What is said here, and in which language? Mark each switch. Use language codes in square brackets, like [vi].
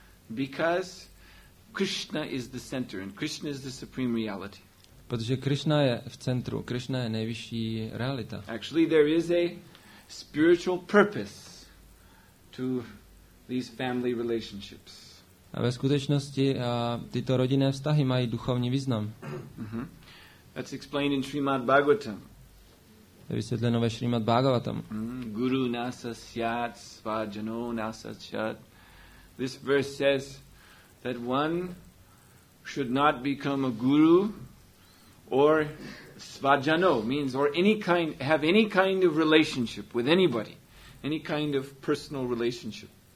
[en] Because Krishna is the center and Krishna is the supreme reality. [cs] Protože Krishna je v centru, Krishna je nejvyšší realita. [en] Actually there is a spiritual purpose to these family relationships. [cs] A ve skutečnosti tyto rodinné vztahy mají duchovní význam. [en] That's explained in Srimad Bhagavatam. [cs] To vysvětleno ve Srimad Bhagavatam. [sa] Guru nasa syat sva jano nasa syat. [en] This verse says that one should not become a guru or svajano means or any kind have any kind of relationship with anybody, any kind of personal relationship.